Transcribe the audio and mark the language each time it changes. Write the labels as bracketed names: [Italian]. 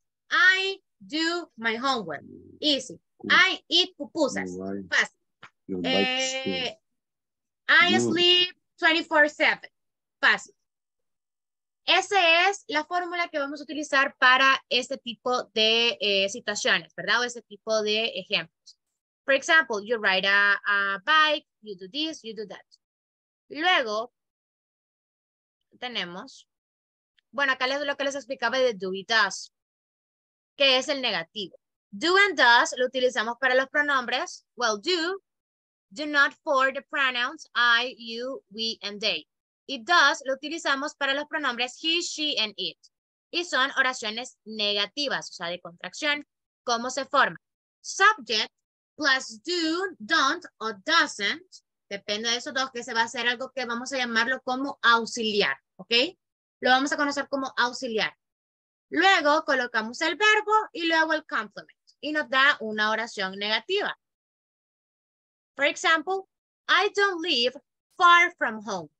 [English] I do my homework. Easy. I eat pupusas. Fácil. I sleep 24/7. Fácil. [Spanish] Esa es la fórmula que vamos a utilizar para este tipo de situaciones, ¿verdad? O este tipo de ejemplos. [English] For example, you ride a bike, you do this, you do that. [Spanish] Luego, tenemos, bueno, acá es lo que les explicaba de do y does, que es el negativo. Do and does lo utilizamos para los pronombres. [English] Well, do, do not for the pronouns I, you, we, and they. [Spanish] Y does lo utilizamos para los pronombres he, she, and it. Y son oraciones negativas, o sea, de contracción. ¿Cómo se forma? [English] Subject plus do, don't, o doesn't. [Spanish] Depende de esos dos, que se va a hacer algo que vamos a llamarlo como auxiliar. ¿Ok? Lo vamos a conocer como auxiliar. Luego colocamos el verbo y luego el complement. Y nos da una oración negativa. [English] For example, I don't live far from home.